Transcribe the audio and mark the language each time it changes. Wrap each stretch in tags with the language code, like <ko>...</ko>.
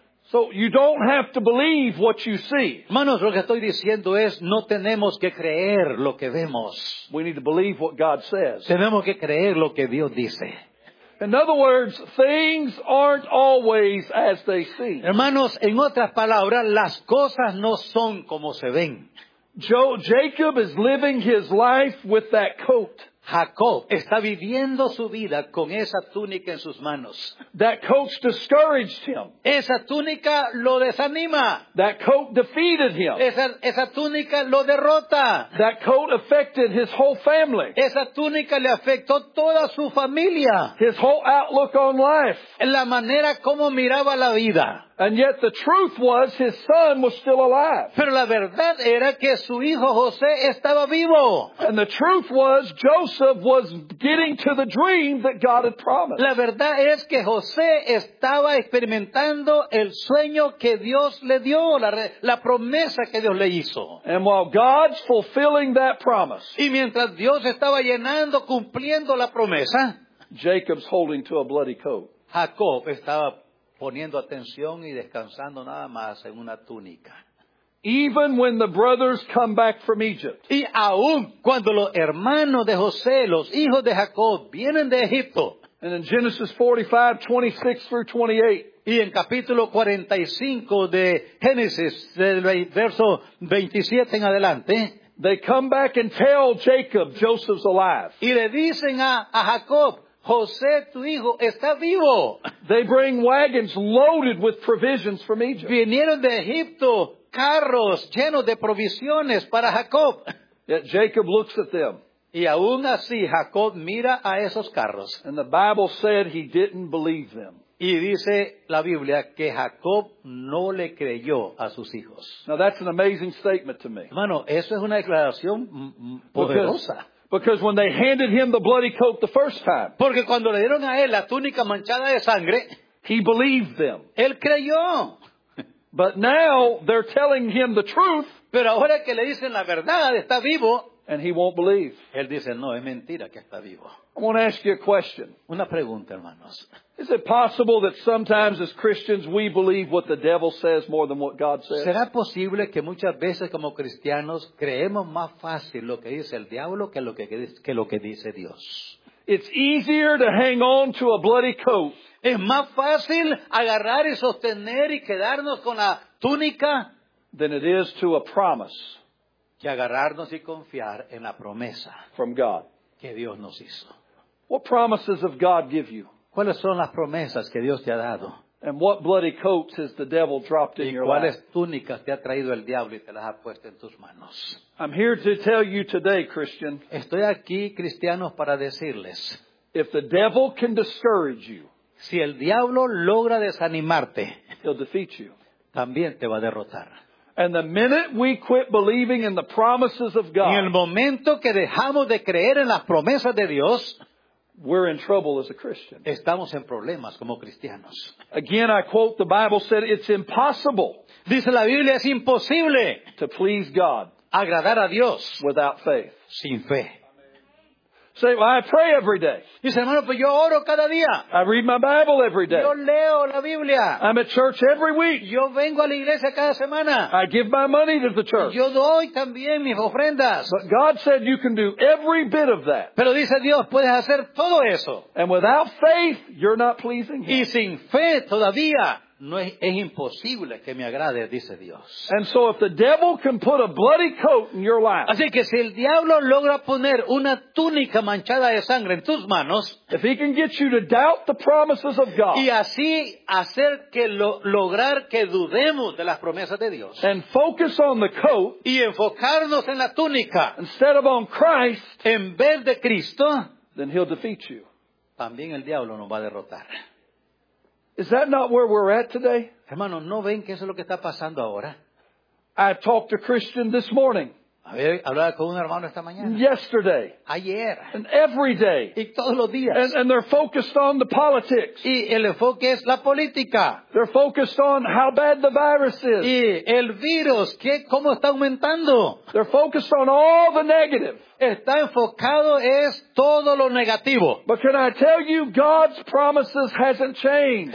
<en>So you don't have to believe what you see.</en> <es>Manos, lo que estoy diciendo es, no tenemos que creer lo que vemos.</es> <en>We need to believe what God says.</en> <es>Tenemos que creer lo que Dios dice.</es> <en>In other words, things aren't always as they seem.</en> <es>Hermanos, en otras palabras, las cosas no son como se ven.</es> <en>Jacob is living his life with that coat.</en> <es>Jacob está viviendo su vida con esa túnica en sus manos.</es> <en>That coat discouraged him.</en> <es>Esa túnica lo desanima.</es> <en>That coat defeated him.</en> <es>Esa túnica lo derrota.</es> <en>That coat affected his whole family.</en> <es>Esa túnica le afectó toda su familia.</es> <en>His whole outlook on life.</en> <es>La manera como miraba la vida.</es> <en>And yet the truth was his son was still alive.</en> <es>Pero la verdad era que su hijo José estaba vivo.</es> <en>And the truth was Joseph was getting to the dream that God had promised.</en> <es>La verdad es que José estaba experimentando el sueño que Dios le dio, la promesa que Dios le hizo.</es> <en>And while God's fulfilling that promise.</en> <es>Y mientras Dios estaba llenando, cumpliendo la promesa,</es> <en>Jacob's holding to a bloody coat.</en> <es>Jacob estaba poniendo atención y descansando nada más en una túnica.</es> <en>Even when the brothers come back from Egypt.</en> <es>Y aún cuando los hermanos de José, los hijos de Jacob, vienen de Egipto.</es> <en>And in Genesis 45, 26 through 28.</en> <es>Y en capítulo 45 de Génesis, del verso 27 en adelante.</es> <en>They come back and tell Jacob, Joseph's alive.</en> <es>Y le dicen a Jacob, José, tu hijo, está vivo.</es> <en>They bring wagons loaded with provisions from Egypt.</en> <es>Vinieron de Egipto carros llenos de provisiones para Jacob.</es> <en>Yet Jacob looks at them.</en> <es>Y aún así, Jacob mira a esos carros.</es> <en>And the Bible said he didn't believe them.</en> <es>Y dice la Biblia que Jacob no le creyó a sus hijos.</es> <en>Now that's an amazing statement to me.</en> <es>Bueno, eso es una declaración poderosa.</es> <en>Because when they handed him the bloody coat the first time,</en> <es>porque cuando le dieron a él la túnica manchada de sangre,</es> <en>he believed them.</en> <es>Él creyó.</es> <en>But now they're telling him the truth.</en> <es>Pero ahora que le dicen la verdad, está vivo.</es> <en>And he won't believe.</en> <es>Él dice, no, es mentira que está vivo.</es> <en>I want to ask you a question.</en> <es>Una pregunta, hermanos.</es> <en>Is it possible that sometimes as Christians we believe what the devil says more than what God says?</en> <es>¿Será posible que muchas veces como cristianos creemos más fácil lo que dice el diablo que lo que dice Dios?</es> <en>It's easier to hang on to a bloody coat.</en> <es>Es más fácil agarrar y sostener y quedarnos con la túnica</es> <en>than it is to a promise.</en> <es>Que agarrarnos y confiar en la promesa</es> <en>from God.</en> <es>Que Dios nos hizo.</es> <en>What promises have God give you?</en> <es>¿Cuáles son las promesas que Dios te ha dado?</es> <en>And what bloody coats has the devil dropped in your life?</en> <es>¿Y cuáles túnicas te ha traído el diablo y te las ha puesto en tus manos?</es> <en>I'm here to tell you today, Christian.</en> <es>Estoy aquí, cristianos, para decirles.</es> <en>If the devil can discourage you,</en> <es>si el diablo logra desanimarte,</es> <en>he'll defeat you.</en> <es>También te va a derrotar.</es> <en>And the minute we quit believing in the promises of God,</en> <es>y el momento que dejamos de creer en las promesas de Dios,</es> <en>we're in trouble as a Christian.</en> <es>Estamos en problemas como cristianos.</es> <en>Again, I quote, the Bible said it's impossible.</en> <es>Dice la Biblia, es imposible.</es> <en>To please God.</en> <es>Agradar a Dios.</es> <en>Without faith.</en> <es>Sin fe.</es> <en>Say, well, I pray every day.</en> <es>Dice, hermano, pues yo oro cada día.</es> <en>I read my Bible every day.</en> <es>Yo leo la Biblia.</es> <en>I'm at church every week.</en> <es>Yo vengo a la iglesia cada semana.</es> <en>I give my money to the church.</en> <es>Yo doy también mis ofrendas.</es> <en>But God said you can do every bit of that.</en> <es>Pero dice Dios, puedes hacer todo eso.</es> <en>And without faith, you're not pleasing Him.</en> <es>Y sin fe todavía, no es, es imposible que me agrade, dice Dios.</es> <en>And so if the devil can put a bloody coat in your life,</en> <es>así que si el diablo logra poner una túnica manchada de sangre en tus manos,</es> <en>if he can get you to doubt the promises of God,</en> <es>y así hacer que lograr que dudemos de las promesas de Dios,</es> <en>and focus on the coat,</en> <es>y enfocarnos en la túnica,</es> <en>instead of on Christ,</en> <es>en vez de Cristo,</es> <en>then he'll defeat you.</en> <es>También el diablo nos va a derrotar.</es> <en>Is that not where we're at today?</en> <es>Hermano, ¿no ven que eso es lo que está pasando ahora?</es> <en>I talked to Christian this morning.</en> <es>Hablaba con un hermano esta mañana.</es> <en>Yesterday.</en> <es>Ayer.</es> <en>And every day.</en> <es>Y todos los días.</es> <en>And they're focused on the politics.</en> <es>Y el enfoque es la política.</es> <en>They're focused on how bad the virus is.</en> <es>Y el virus, ¿qué, cómo está aumentando?</es> <en>They're focused on all the negative.</en> <es>Está enfocado es todo lo negativo.</es> <en>But can I tell you, God's promises hasn't changed.</en>